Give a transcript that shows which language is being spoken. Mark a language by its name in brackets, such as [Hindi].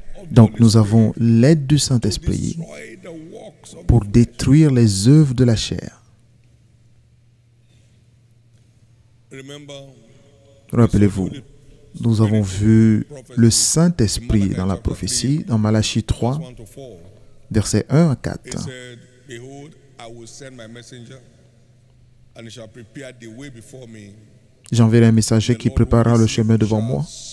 [French] Donc, nous avons l'aide du Saint-Esprit pour détruire les œuvres de la chair. Rappelez-vous, nous avons vu le Saint-Esprit dans la prophétie, dans Malachie 3, versets 1 à 4. [English] Behold, I will send my messenger, and he shall prepare the way before me. [French] J'enverrai un messager qui préparera le chemin devant moi.